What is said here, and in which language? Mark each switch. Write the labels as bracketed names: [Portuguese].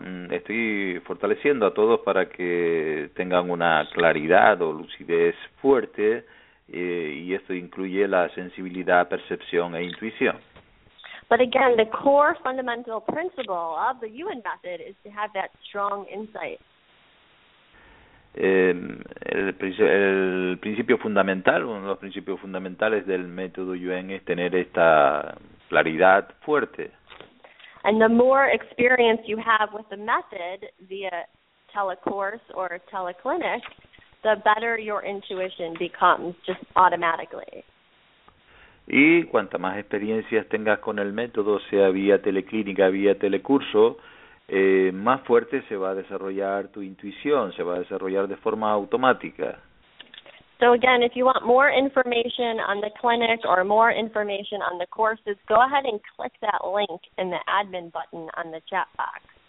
[Spanish] Estoy fortaleciendo a todos para que tengan una claridad o lucidez fuerte, y esto incluye la sensibilidad, percepción e intuición. [English] But again, the core fundamental principle of the UN method is to have that strong insight. [Spanish] El principio fundamental, uno de los principios fundamentales del método UN es tener esta claridad fuerte. [English] And the more experience you have with the method via telecourse or teleclinic, the better your intuition becomes just automatically. [Spanish] Y cuanta más experiencias tengas con el método, sea vía teleclínica, vía telecurso, más fuerte se va a desarrollar tu intuición, se va a desarrollar de forma automática. [English] So again, if you want more information on the clinic or more information on the courses, go ahead and click that link in the admin button on the chat box.